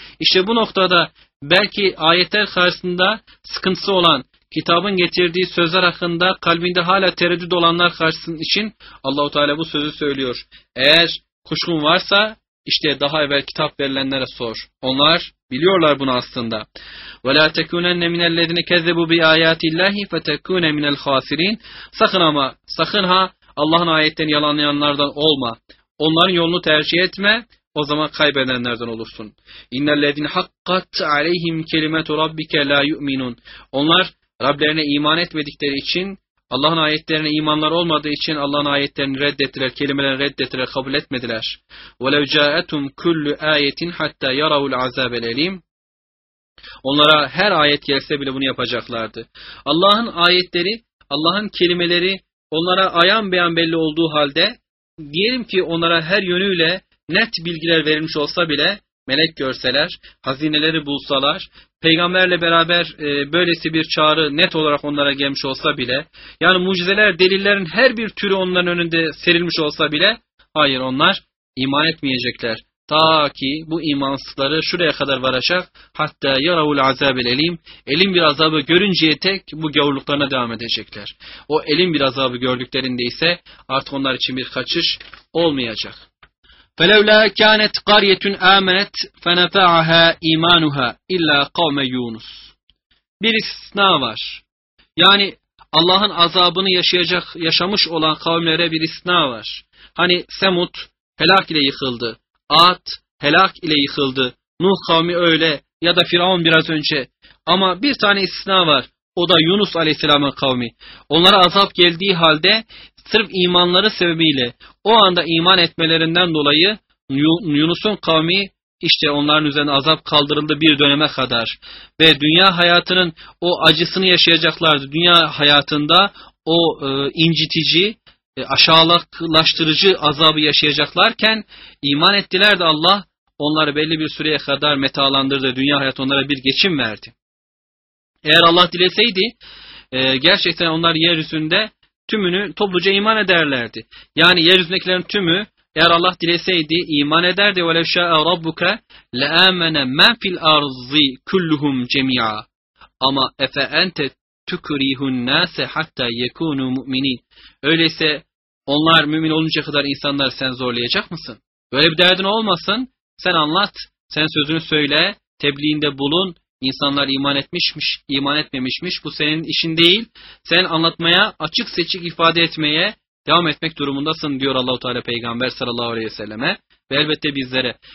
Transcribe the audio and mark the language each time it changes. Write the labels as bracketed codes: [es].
[tr] İşte bu noktada belki ayetler karşısında sıkıntısı olan, kitabın getirdiği sözler hakkında kalbinde hala tereddüt olanlar karşısının için Allah-u Teala bu sözü söylüyor. Eğer kuşkun varsa işte daha evvel kitap verilenlere sor. Onlar biliyorlar bunu aslında. [ar] وَلَا تَكُونَنَّ مِنَ الَّذِينَ كَذَّبُوا بِآيَاتِ اللّٰهِ فَتَكُونَ مِنَ الْخَاسِرِينَ [tr] Sakın ama sakın ha Allah'ın ayetlerini yalanlayanlardan olma. Onların yolunu tercih etme. O zaman kaybedenlerden olursun. [ar] اِنَّ الَّذِينَ حَقَّتْ عَلَيْهِمْ كَلِمَةُ رَبِّكَ لَا يُؤْمِنُونَ [tr] Onlar Rablerine iman etmedikleri için, Allah'ın ayetlerine imanlar olmadığı için Allah'ın ayetlerini reddettiler, kelimelerini reddettiler, kabul etmediler. [ar] وَلَوْ جَاءَتُمْ كُلُّ آيَةٍ حَتَّى يَرَوُ الْعَذَابَ الْاَلِيمِ [tr] Onlara her ayet gelse bile bunu yapacaklardı. Allah'ın ayetleri, Allah'ın kelimeleri onlara ayan beyan belli olduğu halde, diyelim ki onlara her yönüyle net bilgiler verilmiş olsa bile, melek görseler, hazineleri bulsalar, peygamberle beraber böylesi bir çağrı net olarak onlara gelmiş olsa bile, yani mucizeler, delillerin her bir türü onların önünde serilmiş olsa bile, hayır onlar iman etmeyecekler. Ta ki bu imansızları şuraya kadar varacak, hatta yaravul azabel elim, elim bir azabı görünceye tek bu gavurluklarına devam edecekler. O elim bir azabı gördüklerinde ise artık onlar için bir kaçış olmayacak. [ar] فَلَوْلَا كَانَتْ قَرْيَةٌ آمَنَتْ فَنَفَعَهَا اِمَانُهَا اِلَّا قَوْمَ يُونُسَ [tr] Bir istisna var. Yani Allah'ın azabını yaşayacak, yaşamış olan kavimlere bir istisna var. Hani Semud helak ile yıkıldı, Ad helak ile yıkıldı, Nuh kavmi öyle ya da Firavun biraz önce. Ama bir tane istisna var, o da Yunus aleyhisselamın kavmi. Onlara azap geldiği halde, sırf imanları sebebiyle o anda iman etmelerinden dolayı Yunus'un kavmi işte onların üzerine azap kaldırıldı bir döneme kadar. Ve dünya hayatının o acısını yaşayacaklardı. Dünya hayatında o incitici, aşağılaştırıcı azabı yaşayacaklarken iman ettiler de Allah onları belli bir süreye kadar metalandırdı. Dünya hayatı onlara bir geçim verdi. Eğer Allah dileseydi gerçekten onlar yeryüzünde tümünü topluca iman ederlerdi. Yani yeryüzündekilerin tümü eğer Allah dileseydi iman ederdi. [ar] وَلَوْ شَاءَ رَبُّكَ لَآمَنَ مَنْ فِي الْاَرْضِ كُلُّهُمْ جَمِيعًا اَمَا اَفَاَنْتَ تُكُرِيهُ النَّاسَ حَتَّى يَكُونُوا مُؤْمِنِينَ [tr] Öyleyse onlar mümin olunca kadar insanları sen zorlayacak mısın? Böyle bir derdin olmasın. Sen anlat, sen sözünü söyle, tebliğinde bulun. İnsanlar iman etmişmiş, iman etmemişmiş. Bu senin işin değil. Sen anlatmaya, açık seçik ifade etmeye devam etmek durumundasın diyor Allah-u Teala Peygamber sallallahu aleyhi ve selleme. Ve elbette bizlere.